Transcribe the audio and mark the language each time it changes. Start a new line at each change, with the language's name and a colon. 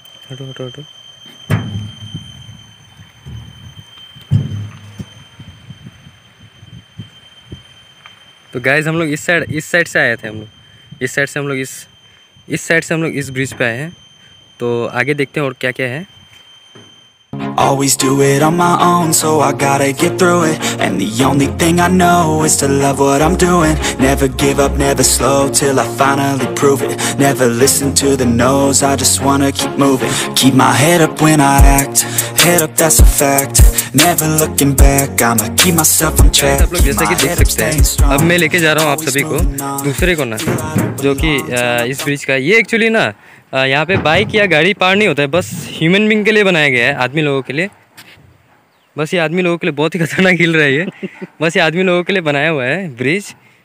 Hindi: हटो तो गाइज हम लोग इस साइड से आए थे, हम लोग इस ब्रिज पे आए हैं। तो आगे देखते हैं और क्या क्या है।
English: Always do it on my own, so I gotta get through it. And the only thing I know is to love what I'm doing. Never give up, never slow, till I finally prove it. Never listen to the no's, I just wanna keep moving. Keep my head up when I act, head up, that's a fact. Never looking back, I'ma keep myself on track.
Hindi: आप लोग जैसा कि देख सकते हैं, अब मैं लेके जा रहा हूँ आप सभी को दूसरे कोना, जो कि इस ब्रिज का। ये एक्चुअली ना यहाँ पे बाइक या गाड़ी पार नहीं होता है, बस ह्यूमन बींग के लिए बनाया गया है, आदमी लोगों के लिए। बस ये आदमी लोगों के लिए बहुत ही खतरनाक हिल रहा है ये, बस ये आदमी लोगों के लिए बनाया हुआ है ब्रिज।